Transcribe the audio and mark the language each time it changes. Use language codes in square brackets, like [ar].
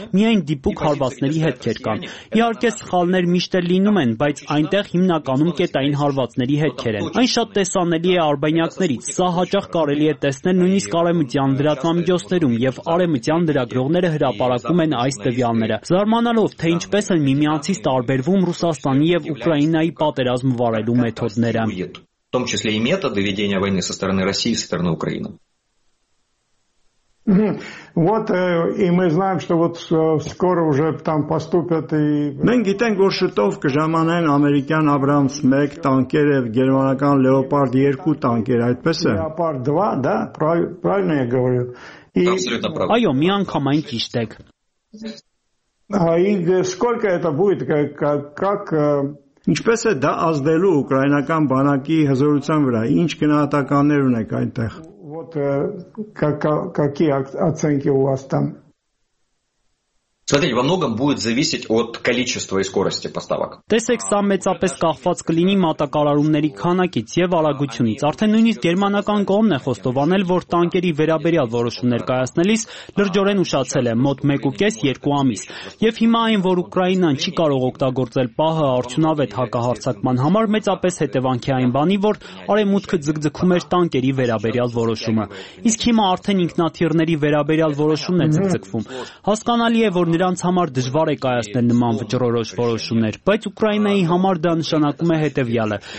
[hy] միայն դիպուկ հարվածների հետքեր կան։ Իհարկե սխալներ միշտ էլ լինում են, բայց այնտեղ հիմնականում կետային հարվածների հետքեր են։ Այն շատ տեսանելի է արբանյակներից, սա հաճախ կարելի է տեսնել նույնիսկ արևմտյան լրատվամիջոցներում, եւ արևմտյան լրագրողները հրապարակում են այս տվյալները, զարմանալով, թե ինչպես են միմյանցից տարբերվում Ռուսաստանի եւ Ուկրաինայի պատերազմ վարելու մեթոդները, [ru] в том числе и методы ведения войны со стороны России и со стороны Украины. Вот и мы знаем, что вот скоро уже там поступят и [hy] Մենք գիտենք, որ շտով կժամանեն ամերիկյան Abrams 1 տանկեր եւ գերմանական Leopard 2 տանկեր, այդպես է։ [ru] Leopard 2, да, правильно я говорю. И [hy] Այո, մի անգամ այն ճիշտ է։ [ru] И сколько это будет, как [hy] Ինչպես է դա ազդելու ուկրաինական բանակի հզորության վրա, ինչ գնահատականներ ունեք այնտեղ։ [ru] Вот какие оценки у вас там? Смотрите, во многом будет зависеть от количества и скорости поставок. [hy] Տեսեք, սա մեծապես կախված կլինի մատակարարումների քանակից եւ արագությունից։ Արդեն նույնիսկ գերմանական կողմն է խոստովանել, որ տանկերի վերաբերյալ որոշում ներկայացնելիս լրջորեն ուշացել է մոտ 1.5-2 ամիս։ Եվ հիմա այն, որ Ուկրաինան չի կարող օգտագործել պահը արդյունավետ հակահարձակման համար, մեծապես հետևանք է այն բանի, որ արևմուտքը ձգձգում էր տանկերի վերաբերյալ որոշումը։ Իսկ հիմա արդեն ինքնաթիռների վերաբերյալ որոշումն է ձգձգվում։ Հասկանալի է, որ նրանց համար դժվար է կայացնել նման վճռորոշ որոշումներ, բայց Ուկրաինայի համար դա նշանակում է հետևյալը.